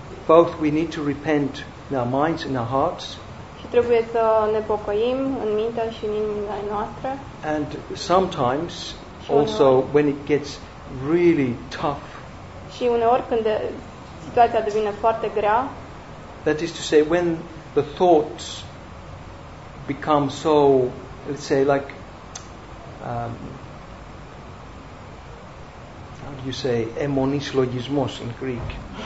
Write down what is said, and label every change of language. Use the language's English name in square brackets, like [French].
[English] And we need to repent in our minds and our hearts. [Romanian] Și trebuie să ne pocăim în mintea și în inimile noastre. [English] And sometimes also when it gets really tough. [Romanian] Și uneori când situația devine foarte grea. [English] That is to say when the thoughts become so, let's say, like how do you say emonis logismos in Greek?